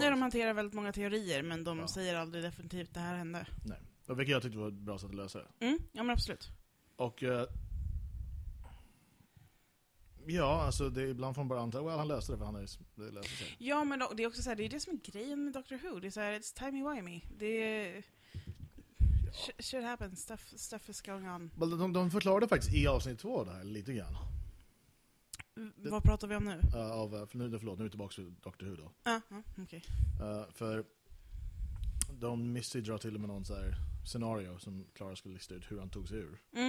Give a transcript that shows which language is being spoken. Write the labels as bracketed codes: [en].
[sv] Nej, de hanterar väldigt många teorier, men de säger aldrig definitivt det här hände. Nej. Och vilket jag tyckte var ett bra sätt att lösa det. Ja, men absolut. Och Ja, alltså det är ibland får man bara anta, well, han löste det för han är, det löser sig. Ja, men det är också så här, det är det som är grejen med Doctor Who. Det är så här, [en] it's timey-wimey. [sv] Det är, ja. [en] Shit happens, stuff is going on. [sv] Well, de förklarade faktiskt i avsnitt 2 det här lite grann. Vad det, pratar vi om nu? Nu är vi tillbaka till Doctor Who då. Okej. För de missade dra till med någon så här scenario som Clara skulle lista ut hur han tog sig ur.